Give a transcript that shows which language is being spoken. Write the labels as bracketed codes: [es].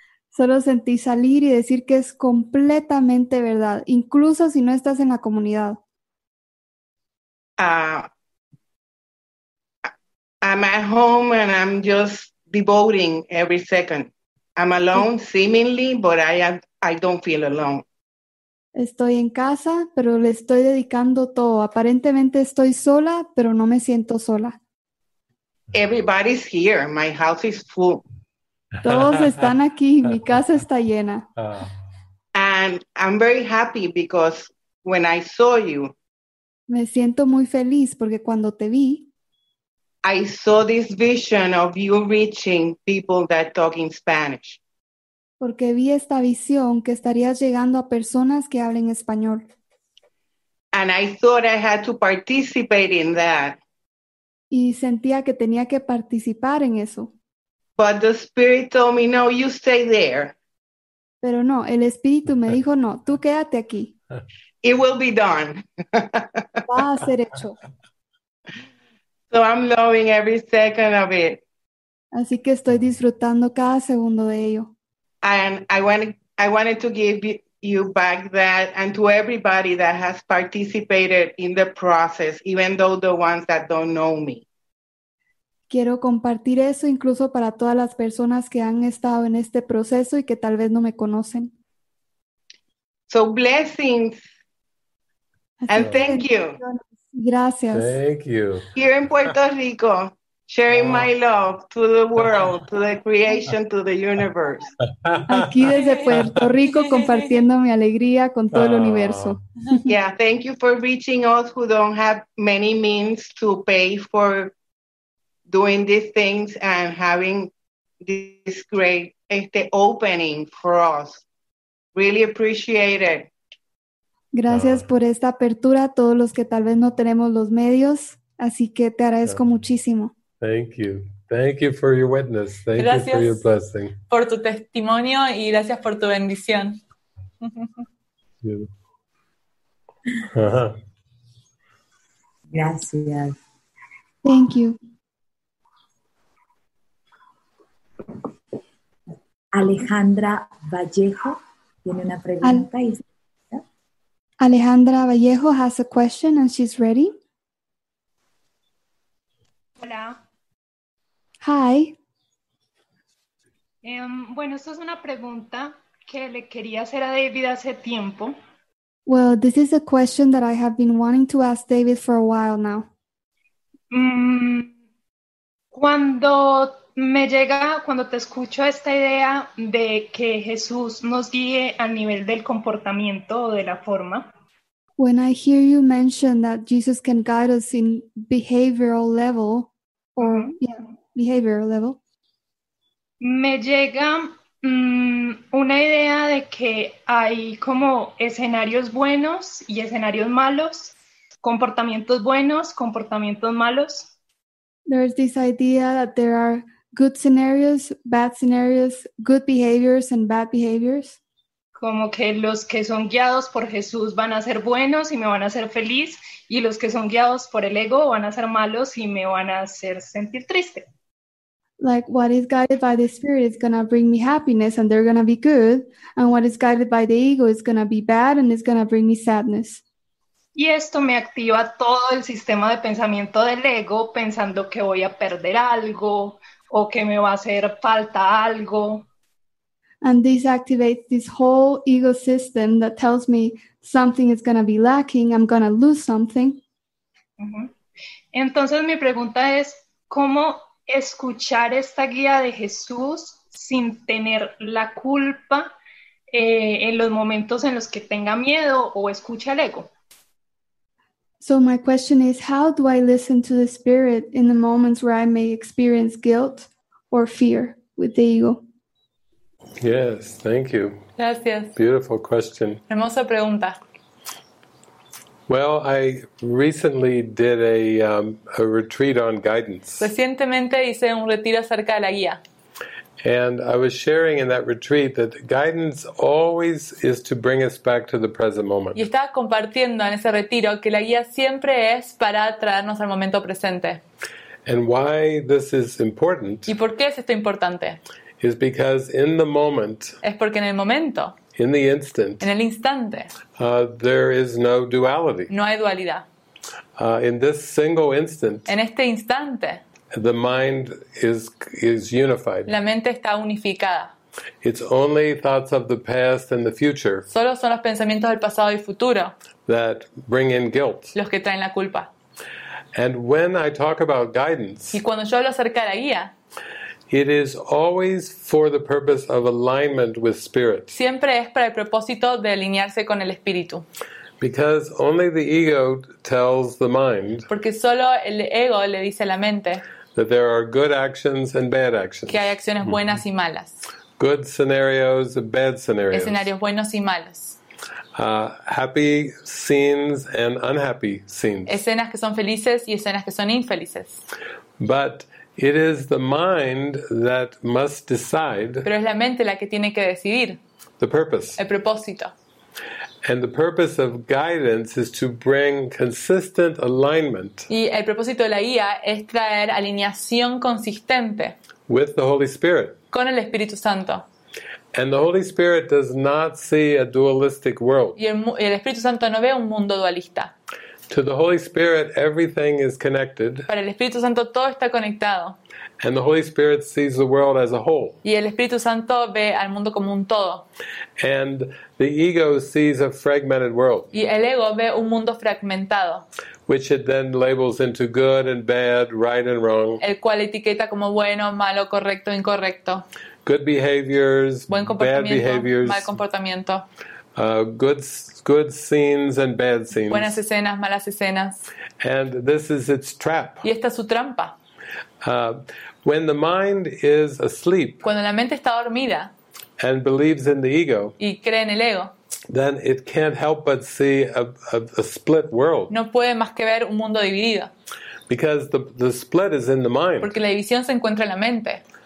[es] Solo sentí salir y decir que es completamente verdad, incluso si no estás en la comunidad. [en] I'm at home and I'm just devoting every second. I'm alone seemingly, but I don't feel alone. [es] Estoy en casa, pero le estoy dedicando todo. Aparentemente estoy sola, pero no me siento sola. [en] Everybody's here. My house is full. [es] Todos están aquí, mi casa está llena. [en] And I'm very happy because when I saw you, [es] me siento muy feliz porque cuando te vi, [en] I saw this vision of you reaching people that talk in Spanish. [es] Porque vi esta visión que estarías llegando a personas que hablen español. [en] And I thought I had to participate in that. [es] Y sentía que tenía que participar en eso. [en] But the spirit told me, no, you stay there. [es] Pero no, el espíritu me dijo, no, tú quédate aquí. [en] It will be done. [es] Va a ser hecho. [en] So I'm loving every second of it. [es] Así que estoy disfrutando cada segundo de ello. [en] And I wanted to give you back that and to everybody that has participated in the process, even though the ones that don't know me. [es] Quiero compartir eso incluso para todas las personas que han estado en este proceso y que tal vez no me conocen. [en] So blessings. [es] Así [en] and thank you. [es] Gracias. [en] Thank you. Here in Puerto Rico. sharing my love to the world, to the creation, to the universe. [es] Aquí desde Puerto Rico compartiendo mi alegría con todo el universo. [en] Yeah, thank you for reaching us who don't have many means to pay for doing these things and having this great opening for us. Really appreciate it. [es] Gracias por esta apertura a todos los que tal vez no tenemos los medios, así que te agradezco muchísimo. [en] Thank you. Thank you for your witness. Thank [es] gracias [en] you for your blessing. [es] Gracias por tu testimonio y gracias por tu bendición. Gracias. [en] Thank you. [es] Alejandra Vallejo tiene una pregunta. [en] Alejandra Vallejo has a question and she's ready. [es] Hola. [en] Hi. [es] Bueno, esto es una pregunta que le quería hacer a David hace tiempo. [en] Well, this is a question that I have been wanting to ask David for a while now. [es] Cuando me llega, cuando te escucho esta idea de que Jesús nos guíe a nivel del comportamiento o de la forma. [en] When I hear you mention that Jesus can guide us in behavioral level, or behavioral level. [es] Me llega una idea de que hay como escenarios buenos y escenarios malos, comportamientos buenos, comportamientos malos. [en] There is this idea that there are good scenarios, good behaviors and bad behaviors. [es] Como que los que son guiados por Jesús van a ser buenos y me van a hacer feliz, y los que son guiados por el ego van a ser malos y me van a hacer sentir triste. [en] Like what is guided by the spirit is going to bring me happiness and they're going to be good, and what is guided by the ego is going to be bad and it's going to bring me sadness. [es] Y esto me activa todo el sistema de pensamiento del ego, pensando que voy a perder algo o que me va a hacer falta algo. [en] And this activates this whole ego system that tells me something is going to be lacking, I'm going to lose something. [es] Entonces mi pregunta es, ¿cómo escuchar esta guía de Jesús sin tener la culpa en los momentos en los que tenga miedo o escucha el ego? [en] So my question is, how do I listen to the spirit in the moments where I may experience guilt or fear with the ego? Yes, thank you. [es] Gracias. [en] Beautiful question. [es] Hermosa pregunta. [en] Well, I recently did a retreat on guidance. [es] Recientemente hice un retiro acerca de la guía. [en] And I was sharing in that retreat that guidance always is to bring us back to the present moment. [es] Y estaba compartiendo en ese retiro que la guía siempre es para traernos al momento presente. [en] And why this is important. [es] ¿Y por qué es esto importante? [en] Is because in the moment, [es] es porque en el momento, [en] in the instant, [es] en el instante, [en] there is no duality. [es] No hay dualidad. [en] In this single instant, [es] en este instante, [en] the mind is unified. [es] La mente está unificada. [en] It's only thoughts of the past and the future. [es] Solo son los pensamientos del pasado y futuro [en] that bring in guilt. [es] Los que traen la culpa. [en] And when I talk about guidance, [es] y cuando yo hablo acerca de la guía, [en] it is always for the purpose of alignment with spirit. [es] Siempre es para el propósito de alinearse con el espíritu. [en] Because only the ego tells the mind. [es] Porque solo el ego le dice a la mente. [en] That there are good actions and bad actions. [es] Que hay acciones buenas y malas. [en] Good scenarios and bad scenarios. [es] Escenarios buenos y malos. [en] Happy scenes and unhappy scenes. [es] Escenas que son felices y escenas que son infelices. [en] But it is the mind that must decide. [es] Pero es la mente la que tiene que decidir. [en] The purpose. [es] El propósito. [en] And the purpose of guidance is to bring consistent alignment. [es] Y el propósito de la guía es traer alineación consistente. [en] With the Holy Spirit. [es] Con el Espíritu Santo. [en] And the Holy Spirit does not see a dualistic world. [es] Y el Espíritu Santo no ve un mundo dualista. [en] To the Holy Spirit, everything is connected. [es] Para el Espíritu Santo, todo está conectado. [en] And the Holy Spirit sees the world as a whole. [es] Y el Espíritu Santo ve al mundo como un todo. [en] And the ego sees a fragmented world. [es] Y el ego ve un mundo fragmentado. [en] Which it then labels into good and bad, right and wrong. [es] El cual etiqueta como bueno, malo, correcto, incorrecto. [en] Good behaviors, [es] buen comportamiento, [en] bad behaviors. [es] Mal comportamiento. [en] Good scenes and bad scenes. [es] Buenas escenas, malas escenas. [en] And this is its trap. [es] Y esta es su trampa. [en] When the mind is asleep, [es] cuando la mente está dormida, [en] and believes in the ego, [es] y cree en el ego, [en] then it can't help but see a split world. [es] No puede más que ver un mundo dividido. [en] Because the split is in the mind. [es] Porque la división se encuentra en la mente.